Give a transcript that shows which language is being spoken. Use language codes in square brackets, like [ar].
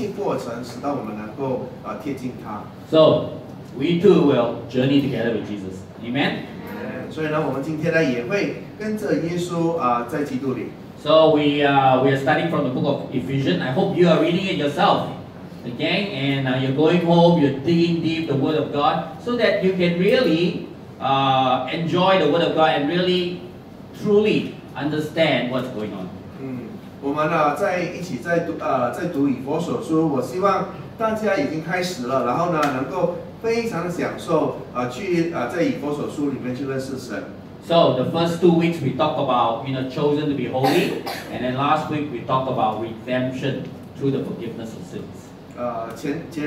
[zh] 所以呢，对我们来讲呢，是那么的重要。我们需要紧跟着耶稣的脚步，去看见他所做所行的，甚至他心底里面所想的，能够体会一切过程，使到我们能够贴近他。So [en] we too will journey together with Jesus. Amen. [zh] 所以呢，我们今天呢也会跟着耶稣在基督里。So [en] we are starting from the book of Ephesians. I hope you are reading it yourself. Okay, and you're going home, you're digging deep the Word of God so that you can really enjoy the Word of God and really truly understand what's going on. [zh] 我们在一起读以弗所书，我希望大家已经开始了，然后能够非常享受去在以弗所书里面去认识神。 [en] So the first 2 weeks we talk about, you know, chosen to be holy, and then last week we talk about redemption through the forgiveness of sins.